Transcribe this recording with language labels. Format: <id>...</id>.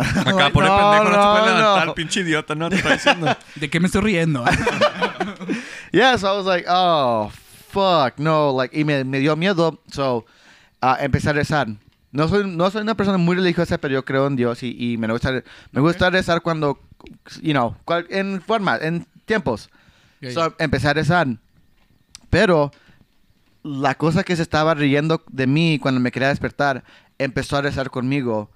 <es>Acá por el pendejo no se puede levantar, pinche idiota, ¿no? Te está diciendo. ¿De qué me estoy riendo?</es> <en>Yeah, so I was like, oh, fuck, no.</en> <es>Like, y me dio miedo. So, empecé a rezar. No soy una persona muy religiosa, pero yo creo en Dios y me gusta rezar cuando, you know, en forma, en tiempos. Okay. So, empecé a rezar. Pero la cosa que se estaba riendo de mí cuando me quería despertar, empezó a rezar conmigo.</es>